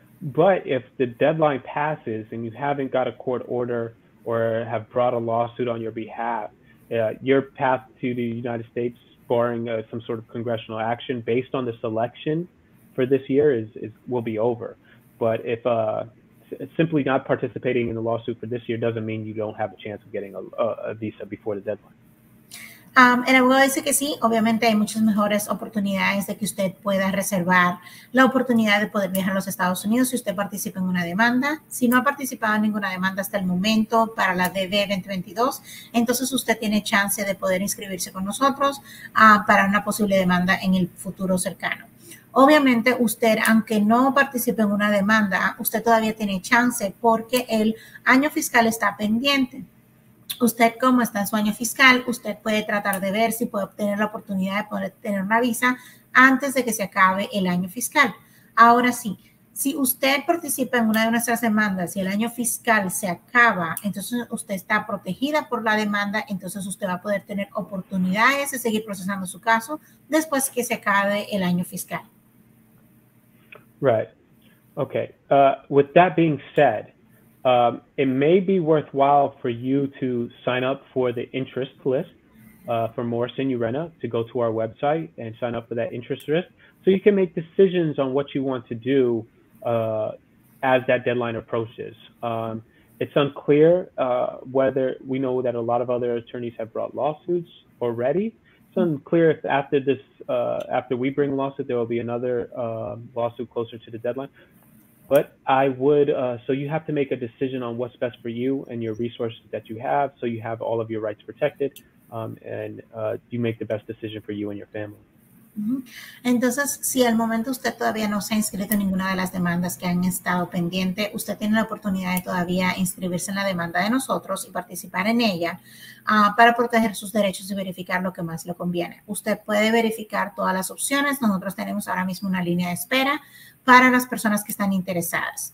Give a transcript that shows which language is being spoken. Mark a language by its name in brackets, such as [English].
[English] But if the deadline passes and you haven't got a court order or have brought a lawsuit on your behalf, your path to the United States, barring some sort of congressional action based on this election for this year, will be over. But if simply not participating in the lawsuit for this year doesn't mean you don't have a chance of getting a visa before the deadline. [Spanish] El abogado dice que sí, obviamente hay muchas mejores oportunidades de que usted pueda reservar la oportunidad de poder viajar a los Estados Unidos si usted participa en una demanda. Si no ha participado en ninguna demanda hasta el momento para la DB-2022, entonces usted tiene chance de poder inscribirse con nosotros para una posible demanda en el futuro cercano. Obviamente, usted, aunque no participe en una demanda, usted todavía tiene chance porque el año fiscal está pendiente. Usted, como está en su año fiscal, usted puede tratar de ver si puede obtener la oportunidad de poder tener una visa antes de que se acabe el año fiscal. Ahora sí, si usted participa en una de nuestras demandas y el año fiscal se acaba, entonces usted está protegida por la demanda, entonces usted va a poder tener oportunidades de seguir procesando su caso después que se acabe el año fiscal. [English] Right. Okay. With that being said, it may be worthwhile for you to sign up for the interest list for Morrison Urena, to go to our website and sign up for that interest list so you can make decisions on what you want to do as that deadline approaches. It's unclear whether we know that a lot of other attorneys have brought lawsuits already. It's unclear if after this, after we bring a lawsuit, there will be another lawsuit closer to the deadline. But I would, so you have to make a decision on what's best for you and your resources that you have, so you have all of your rights protected, and you make the best decision for you and your family. [Spanish] Entonces, si al momento usted todavía no se ha inscrito en ninguna de las demandas que han estado pendiente, usted tiene la oportunidad de todavía inscribirse en la demanda de nosotros y participar en ella para proteger sus derechos y verificar lo que más le conviene. Usted puede verificar todas las opciones. Nosotros tenemos ahora mismo una línea de espera para las personas que están interesadas.